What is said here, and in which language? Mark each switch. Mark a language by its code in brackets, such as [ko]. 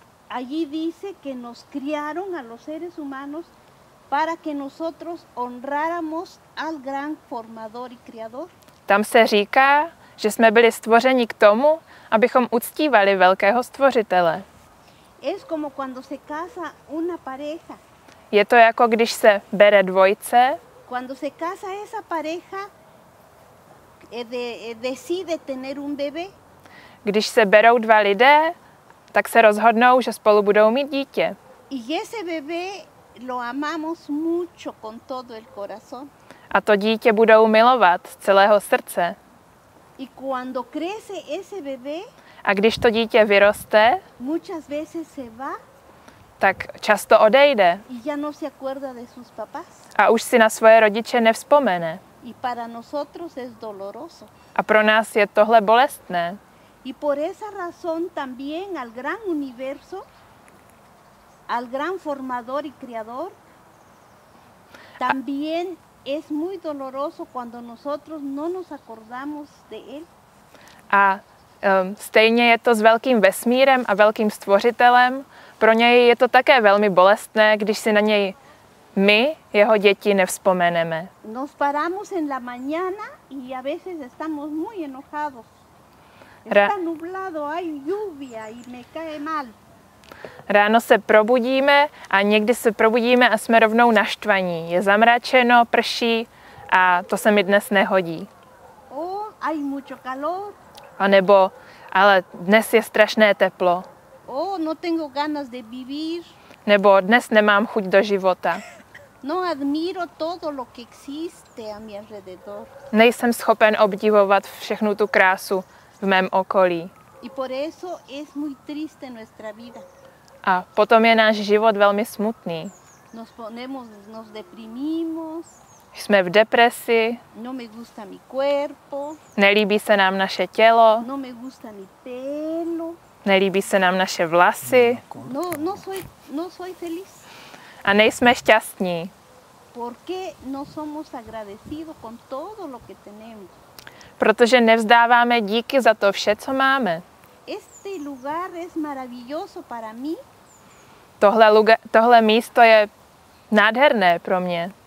[es] allí dice que nos criaron a los seres humanos para que nosotros honráramos al gran formador y creador. [cs] Tam se říká, že jsme byli stvořeni k tomu, abychom uctívali velkého stvořitele. [es] Es como cuando se casa una pareja. [cs] Je to jako když se bere dvojce. [es] Cuando se casa esa pareja decide tener un bebé. [cs] Když se berou dva lidé, tak se rozhodnou, že spolu budou mít dítě. [es] Y ese bebé lo amamos mucho con todo el corazón. [cs] A to dítě budou milovat z celého srdce. [es] Y cuando crece ese bebé, [cs] a když to dítě vyroste, [es] muchas veces se va, [cs] tak často odejde. [es] Y ya no se acuerda de sus papás. [cs] A už si na svoje rodiče nevzpomene. [es] Y para nosotros es doloroso. [cs] A pro nás je tohle bolestné. [es] Y por esa razón también al gran universo, al gran formador y creador, también es muy doloroso cuando nosotros no nos acordamos de él. [cs] A stejně je to s velkým vesmírem a velkým stvořitelem. Pro něj je to také velmi bolestné, když si na něj my, jeho děti, nevzpomeneme. [es] Nos paramos en la mañana y a veces estamos muy enojados. Está nublado, hay lluvia y me cae mal. [cs] Ráno se probudíme a někdy se probudíme a jsme rovnou naštvaní. Je zamračeno, prší a to se mi dnes nehodí. [es] Hay mucho calor. [cs] A nebo, ale dnes je strašné teplo. [es] No tengo ganas de vivir. [cs] Nebo dnes nemám chuť do života. [es] No admiro todo lo que existe a mi alrededor. [cs] Nejsem schopen obdivovat všechnu tu krásu v mém okolí. [es] Y por eso es muy triste nuestra vida. [cs] A potom je náš život velmi smutný. [es] Nos ponemos, nos deprimimos. [cs] Jsme v depresi. [es] No me gusta mi cuerpo. [cs] Nelíbí se nám naše tělo. [es] No me gusta mi pelo. [cs] Nelíbí se nám naše vlasy. [es] No, no soy, no soy feliz. [cs] A nejsme šťastní. [es] ¿Por qué no somos agradecidos con todo lo que tenemos? [cs] Protože nevzdáváme díky za to vše, co máme. [es] Este lugar es maravilloso para mí. [cs] Tohle místo je nádherné pro mě.